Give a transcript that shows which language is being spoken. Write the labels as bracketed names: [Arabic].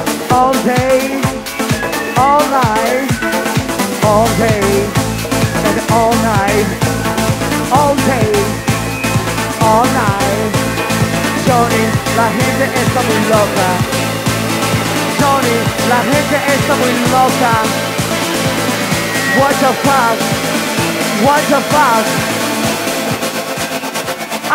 [English] All day, all night, all day, and all night, all day, all night. [Spanish] Johnny, la gente está muy loca. Johnny, la gente está muy loca. [English] What the fuck, what the fuck.